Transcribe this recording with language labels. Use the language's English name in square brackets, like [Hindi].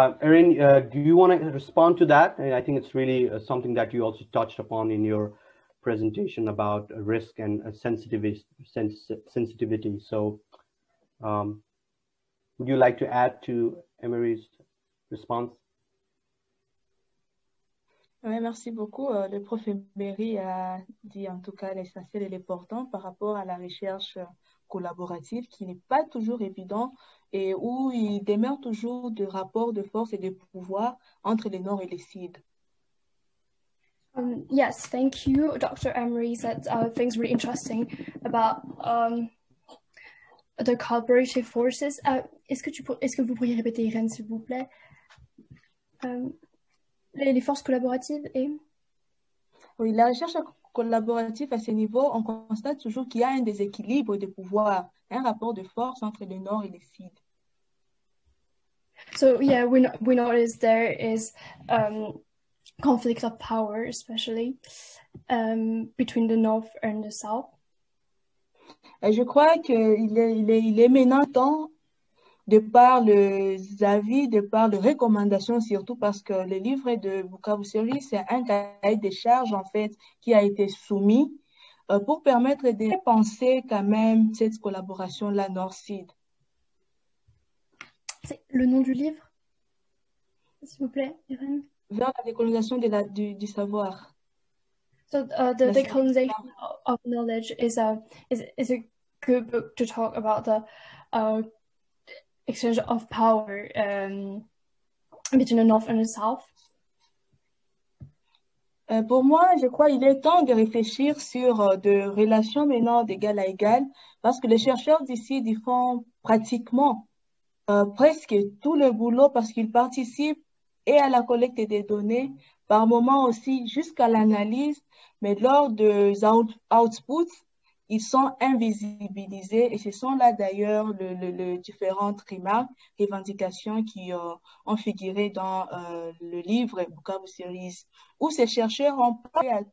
[English] Erin, do you want to respond to that? I think it's really something that you also touched upon in your presentation about risk and sensitivity. So would you like to add to Emery's response? [French] Oui, merci beaucoup. Le prof Emery a dit en tout cas l'essentiel et l'important par rapport à la recherche collaborative qui n'est pas toujours évident et où il demeure toujours des rapports de force et de pouvoir entre les Nord et les Sud. [English] Yes, thank you, Dr. Emery. That thing's really interesting about the collaborative forces. [French] Est-ce que vous pourriez répéter, Irène, s'il vous plaît? Les forces collaboratives et... Oui, la recherche collaborative à ce niveau, on constate toujours qu'il y a un déséquilibre de pouvoir, un rapport de force entre le Nord et le Sud. [English] So, yeah, we notice there is conflict of power, especially between the North and the South. [French] Et je crois qu'il est maintenant temps de par les avis, de par les recommandations, surtout parce que le livre de Bukavu Service, c'est un cahier des charges, en fait, qui a été soumis pour permettre de penser quand même cette collaboration-là Nord-Sud. C'est le nom du livre, s'il vous plaît, Irène. Vers la décolonisation de du savoir. [English] So, the decolonization of knowledge is a good book to talk about the exchange of power between the North and the South. [French] Pour moi, je crois qu'il est temps de réfléchir sur de relations maintenant d'égal à égal, parce que les chercheurs d'ici ils font pratiquement presque tout le boulot parce qu'ils participent et à la collecte des données, par moment aussi jusqu'à l'analyse, mais lors des outputs, ils sont invisibilisés et ce sont là d'ailleurs les différentes remarques, revendications qui ont figuré dans le livre Bukavu Series, où ces chercheurs ont parlé